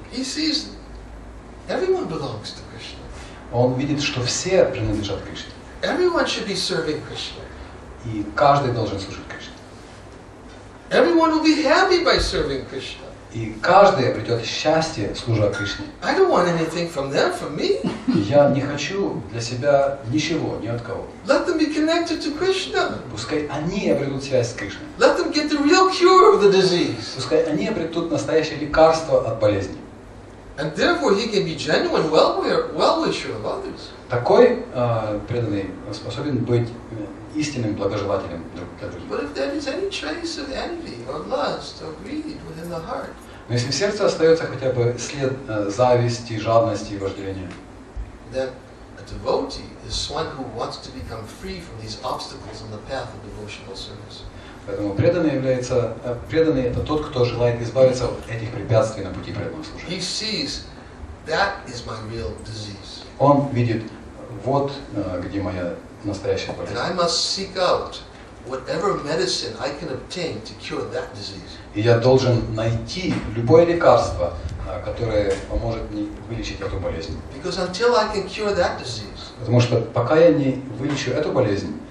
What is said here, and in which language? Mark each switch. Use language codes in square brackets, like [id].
[en] He sees everyone belongs to Krishna. [ru] Он видит, что все принадлежат Кришне. [en] Everyone should be serving Krishna. [ru] И каждый должен служить Кришне. [en] Everyone will be happy by serving Krishna. [ru] И каждый обретет счастье, служа Кришне. [en] I don't want anything from them, from me. [ru] Я не хочу для себя ничего, ни от кого. [en] Let them be connected to Krishna. [ru] Пускай они обретут связь с Кришной. [en] Let them get the real cure of the disease. [ru] Пускай они обретут настоящее лекарство от болезни. [en] And therefore he can be genuine well-wisher of others. [ru] Такой преданный способен быть истинным благожелателем для других. [en] But if there is any trace of envy or lust or greed within the heart, [ru] но если в сердце остается хотя бы след зависти, жадности и вожделения, [en] then a devotee is one who wants to become free from these obstacles on the path of devotional service. [ru] Поэтому преданный это тот, кто желает избавиться от этих препятствий на пути преданного служения. [en] He sees that is my real disease. [ru] Он видит, вот где моя настоящая болезнь. [en] And I must seek out whatever medicine I can obtain to cure that disease. [ru] И я должен найти любое лекарство, которое поможет мне вылечить эту болезнь. [en] Because until I can cure that disease, [ru] потому что пока я не вылечу эту болезнь,